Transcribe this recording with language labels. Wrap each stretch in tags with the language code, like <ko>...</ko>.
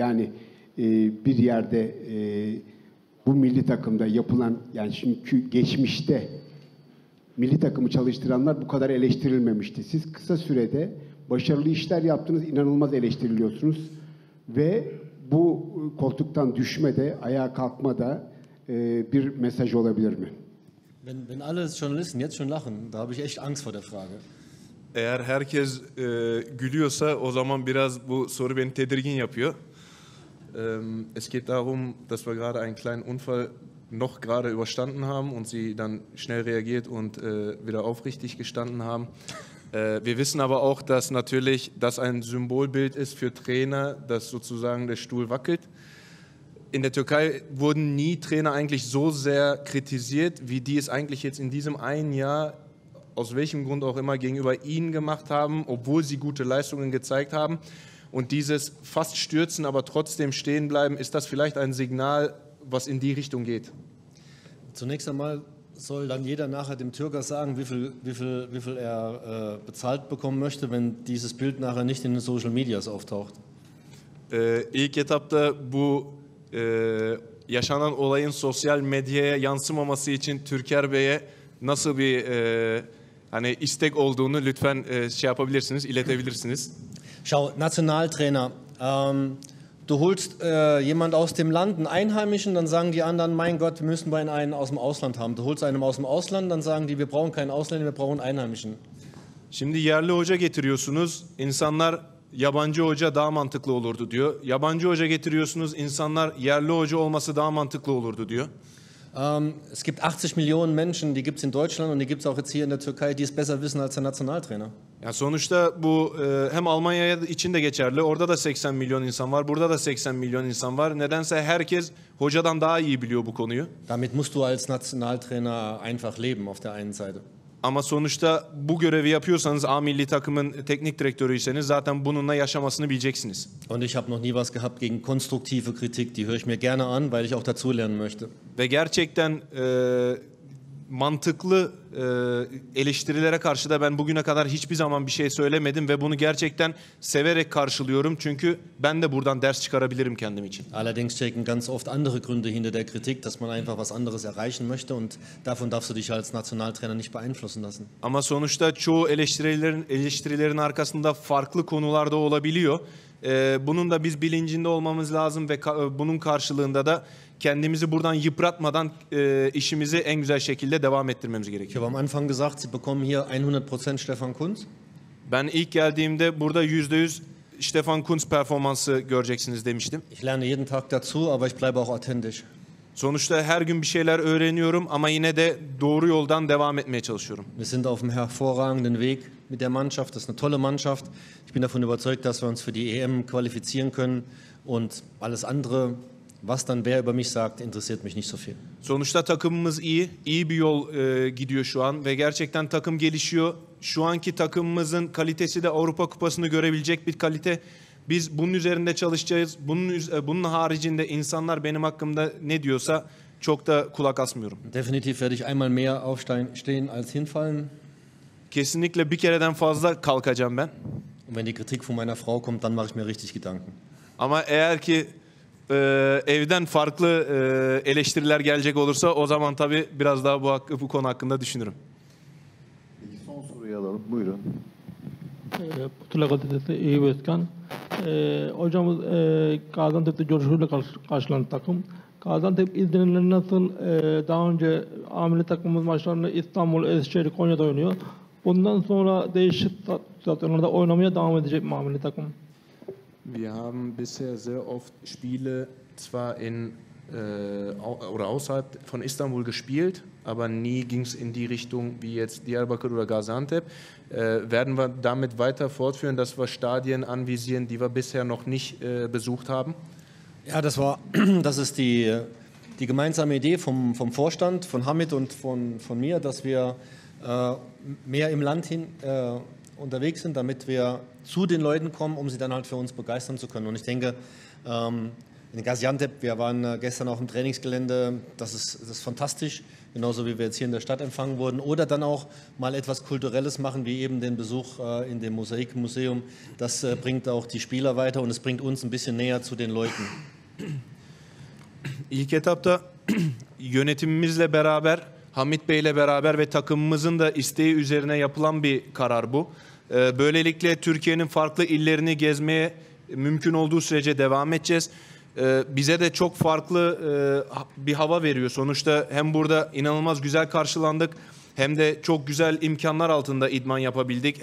<tr>Yani bir yerde bu milli takımda yapılan, yani çünkü geçmişte milli takımı çalıştıranlar bu kadar eleştirilmemişti. Siz kısa sürede başarılı işler yaptınız, inanılmaz eleştiriliyorsunuz. Ve bu koltuktan düşmede, ayağa kalkmada bir mesaj olabilir mi?</tr> <de>Wenn alle Journalisten jetzt schon lachen, da habe ich echt Angst vor der Frage.</de> <tr>Eğer herkes gülüyorsa o zaman biraz bu soru beni tedirgin yapıyor.</tr> <de>Es geht darum, dass wir gerade einen kleinen Unfall noch gerade überstanden haben und sie dann schnell reagiert und wieder aufrichtig gestanden haben. Wir wissen aber auch, dass natürlich das ein Symbolbild ist für Trainer, dass sozusagen der Stuhl wackelt. In der Türkei wurden nie Trainer eigentlich so sehr kritisiert, wie die es eigentlich jetzt in diesem einen Jahr, aus welchem Grund auch immer, gegenüber ihnen gemacht haben, obwohl sie gute Leistungen gezeigt haben. Und dieses fast stürzen, aber trotzdem stehen bleiben, ist das vielleicht ein Signal, was in die Richtung geht? Zunächst einmal soll dann jeder nachher dem Türker sagen, wie viel er bezahlt bekommen möchte, wenn dieses Bild nachher nicht in den Social Medias auftaucht.</de> <tr>İlk etapta bu yaşanan olayın sosyal medyaya yansımaması için Türker Bey'e nasıl bir hani istek olduğunu lütfen şey yapabilirsiniz, iletebilirsiniz.</tr> <de>Schau, Nationaltrainer. Du holst jemanden aus dem Land, einen Einheimischen, dann sagen die anderen, mein Gott, wir müssen einen aus dem Ausland haben. Du holst einen aus dem Ausland, dann sagen die, wir brauchen keinen Ausländer, wir brauchen einen Einheimischen.</de> <tr>Şimdi yerli hoca getiriyorsunuz, insanlar yabancı hoca daha mantıklı olurdu diyor. Yabancı hoca getiriyorsunuz, insanlar yerli hoca olması daha mantıklı olurdu diyor.</tr> <de>Es gibt 80 Millionen Menschen, die gibt es in Deutschland und die gibt es auch jetzt hier in der Türkei, die es besser wissen als der Nationaltrainer.</de> <tr>Ya sonuçta bu hem Almanya için de geçerli. Orada da 80 milyon insan var, burada da 80 milyon insan var. Nedense herkes hocadan daha iyi biliyor bu konuyu.</tr> <de>Damit musst du als Nationaltrainer einfach leben auf der einen Seite.</de> <tr>Ama sonuçta bu görevi yapıyorsanız, A milli takımın teknik direktörüyseniz zaten bununla yaşamasını bileceksiniz.</tr> <de>Und ich habe noch nie was gehabt gegen konstruktive Kritik, die höre ich mir gerne an, weil ich auch dazulernen möchte.</de> <tr>Ve gerçekten mantıklı eleştirilere karşı da ben bugüne kadar hiçbir zaman bir şey söylemedim ve bunu gerçekten severek karşılıyorum çünkü ben de buradan ders çıkarabilirim kendim için.</tr> <de>Allerdings stecken ganz oft andere Gründe hinter der Kritik, dass man einfach was anderes erreichen möchte und davon darfst du dich als Nationaltrainer nicht beeinflussen lassen.</de> <tr>Ama sonuçta çoğu eleştirilerin arkasında farklı konular da olabiliyor. Bunun da biz bilincinde olmamız lazım ve bunun karşılığında da kendimizi buradan yıpratmadan işimizi en güzel şekilde devam ettirmemiz gerekiyor.</tr> <de>Am Anfang gesagt, Sie bekommen hier 100% Stefan Kuntz.</de> <tr>Ben ilk geldiğimde burada %100 Stefan Kuntz performansı göreceksiniz demiştim.</tr> <de>Ich lerne jeden Tag dazu, aber ich bleibe auch authentisch.</de> <tr>Sonuçta her gün bir şeyler öğreniyorum ama yine de doğru yoldan devam etmeye çalışıyorum.</tr> <de>Wir sind auf einem hervorragenden Weg mit der Mannschaft. Das ist eine tolle Mannschaft. Ich bin davon überzeugt, dass wir uns für die EM qualifizieren können und alles andere, was dann wer über mich sagt, interessiert mich nicht so viel.</de> <tr>Sonuçta takımımız iyi. İyi bir yol gidiyor şu an ve gerçekten takım gelişiyor. Şu anki takımımızın kalitesi de Avrupa Kupası'nı görebilecek bir kalite. Biz bunun üzerinde çalışacağız. Bunun haricinde insanlar benim hakkımda ne diyorsa çok da kulak asmıyorum.</tr> <de>Definitiv werde ich einmal mehr aufstehen als hinfallen.</de> <tr>Kesinlikle bir kereden fazla kalkacağım ben.</tr> <de>Und wenn die Kritik von meiner Frau kommt, dann mache ich mir richtig Gedanken.</de> <tr>Ama eğer ki evden farklı eleştiriler gelecek olursa o zaman tabii biraz daha bu konu hakkında düşünürüm. Peki son soruyu alalım. Buyurun. Putula Gazetesi İyi Özkan. Hocamız Gaziantep'te coşkuyla karşılandı takım. Gaziantep izlenimleri nasıl? Daha önce amile takımımız maçlarını İstanbul, Eskişehir, Konya'da oynuyor. Bundan sonra değişik stadyumlarda oynamaya devam edecek mi amile takım?</tr> <de>Wir haben bisher sehr oft Spiele zwar in oder außerhalb von Istanbul gespielt, aber nie ging es in die Richtung wie jetzt Diyarbakır oder Gaziantep. Werden wir damit weiter fortführen, dass wir Stadien anvisieren, die wir bisher noch nicht besucht haben? Ja, das ist die gemeinsame Idee vom Vorstand, von Hamid und von mir, dass wir mehr im Land hin unterwegs sind, damit wir zu den Leuten kommen, um sie dann halt für uns begeistern zu können. Und ich denke, in Gaziantep, wir waren gestern auch im Trainingsgelände, das ist fantastisch, genauso wie wir jetzt hier in der Stadt empfangen wurden. Oder dann auch mal etwas Kulturelles machen, wie eben den Besuch in dem Mosaikmuseum. Das bringt auch die Spieler weiter und es bringt uns ein bisschen näher zu den Leuten.</de> <tr>İlk etapta yönetimimizle beraber, Hamit Bey'le beraber ve takımımızın da isteği üzerine yapılan bir karar bu. Böylelikle Türkiye'nin farklı illerini gezmeye mümkün olduğu sürece devam edeceğiz. Bize de çok farklı bir hava veriyor. Sonuçta hem burada inanılmaz güzel karşılandık, hem de çok güzel imkanlar altında idman yapabildik.</tr>